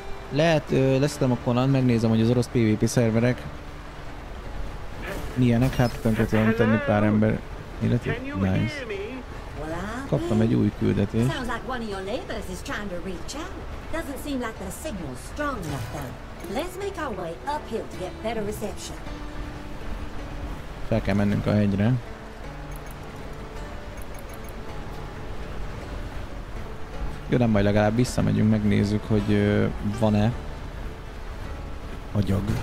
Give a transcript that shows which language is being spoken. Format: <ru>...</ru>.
<hu>Lehet leszedem a konant, megnézem, hogy az orosz PvP szerverek milyenek, hát tönkre tudom tenni pár ember életét. Nice. Kaptam egy új küldetést.</hu> <en>Sounds like one of your neighbors is trying to reach out. Doesn't seem like the signal's strong enough though. Let's make our way uphill to get better reception.</en> <hu>Fel kell mennünk a hegyre. Jó, nem baj, legalább visszamegyünk, megnézzük, hogy van-e agyag.</hu>